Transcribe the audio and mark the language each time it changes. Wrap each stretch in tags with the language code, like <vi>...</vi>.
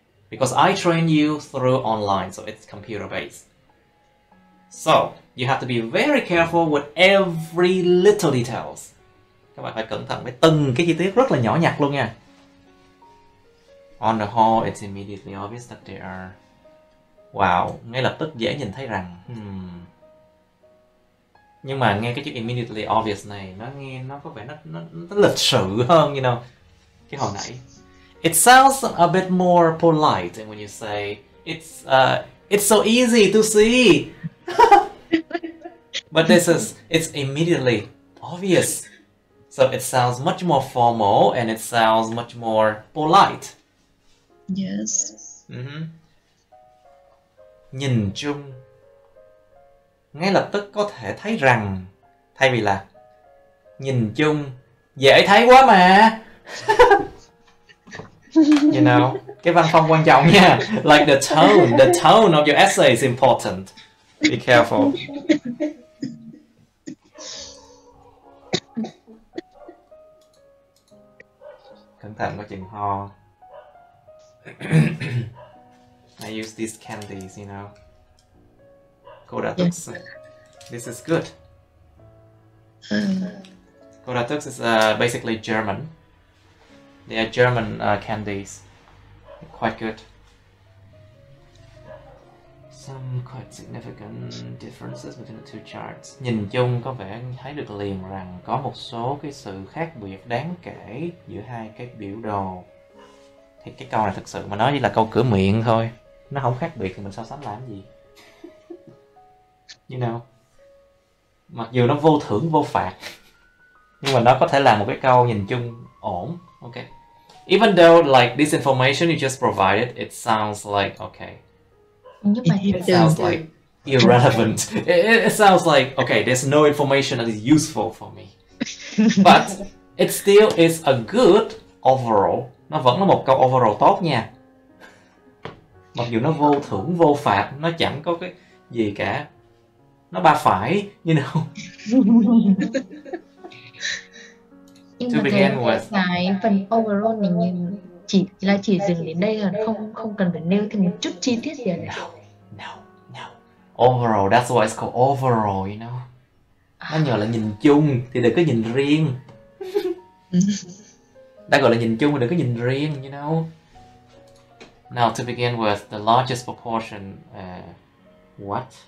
<en>Because I train you through online, so it's computer-based. So, you have to be very careful with every little details.</en> <vi>Các bạn phải cẩn thận với từng cái chi tiết rất là nhỏ nhặt luôn nha.</vi> <en>On the whole, it's immediately obvious that they are...</en> <vi>Wow, ngay lập tức dễ nhìn thấy rằng... Nhưng mà nghe cái chữ</vi> <en>immediately obvious</en> <vi>này, nó nghe nó có vẻ nó lịch sự hơn,</vi> <en>you know,</en> <vi>cái hồi nãy.</vi> <en>It sounds a bit more polite when you say, it's so easy to see. But this is, it's immediately obvious. So it sounds much more formal and it sounds much more polite. Yes.</en> <vi>Nhìn chung ngay lập tức có thể thấy rằng, thay vì là nhìn chung dễ thấy quá mà.</vi> <en>You know,</en> <vi>cái văn phong quan trọng nha.</vi> <en>Like the tone of your essay is important. Be careful.</en> <vi>Cẩn thận có chừng ho.</vi> <en>I use these candies, you know.</en> <vi>Cô đã thức.</vi> <en>This is good. Kodatux is basically German. They are German candies. Quite good. Some quite significant differences between the two charts.</en> <vi>Nhìn chung có vẻ thấy được liền rằng có một số cái sự khác biệt đáng kể giữa hai cái biểu đồ. Thì cái câu này thực sự mà nói chỉ là câu cửa miệng thôi. Nó không khác biệt thì mình so sánh làm gì.</vi> <en>You know.</en> <vi>Mặc dù nó vô thưởng vô phạt, nhưng mà nó có thể là một cái câu nhìn chung ổn.</vi> <en>Okay. Even though like this information you just provided, it sounds like okay. It sounds like irrelevant. It sounds like okay, there's no information that is useful for me. But it still is a good overall.</en> <vi>Nó vẫn là một câu overall tốt nha. Mặc dù nó vô thưởng vô phạt, nó chẳng có cái gì cả. Nó ba phải,</vi> <en>you know. To begin with.</en> <vi>Cái phần overall này nhìn chỉ là chỉ dừng đến đây rồi, không không cần phải nêu thêm một chút chi tiết gì.</vi> <en>No. Overall, that's why it's called overall, you know.</en> <vi>Nó nhờ là nhìn chung thì đừng có nhìn riêng. Đã gọi là nhìn chung thì đừng có nhìn riêng,</vi> <en>you know. Now to begin with, the largest proportion, what?</en>